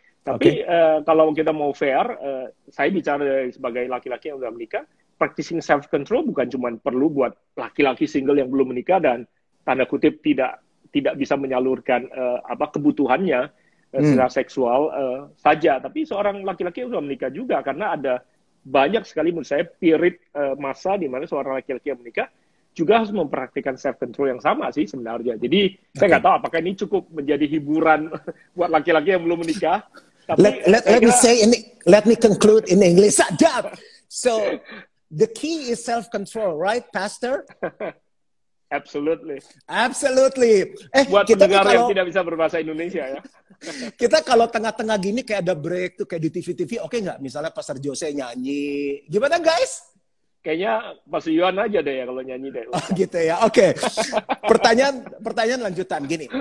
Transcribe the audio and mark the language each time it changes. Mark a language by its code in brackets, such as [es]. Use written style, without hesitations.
[id] Tapi kalau kita mau fair, saya bicara sebagai laki-laki yang sudah menikah, [en] practicing self-control [id] bukan cuma perlu buat laki-laki single yang belum menikah dan tanda kutip tidak bisa menyalurkan apa kebutuhannya secara seksual saja. Tapi seorang laki-laki yang sudah menikah juga, karena ada banyak sekali menurut saya period masa di mana seorang laki-laki yang menikah juga harus mempraktikkan self-control yang sama sih sebenarnya. Jadi saya nggak tahu apakah ini cukup menjadi hiburan buat laki-laki yang belum menikah. Tapi [en] let me say [id] ini, [en] let me conclude in English. [id] Sadap. [en] So the key is self-control, right, Pastor? Absolutely. Absolutely. [id] Buat kita pendengar kalau, yang tidak bisa berbahasa Indonesia ya. Kita kalau tengah-tengah gini kayak ada break tuh kayak di TV-TV, oke nggak? Misalnya Pastor Jose nyanyi, gimana guys? Kayaknya Pastor Yuan aja deh ya kalau nyanyi deh. Oh, gitu ya. Oke. Pertanyaan lanjutan gini.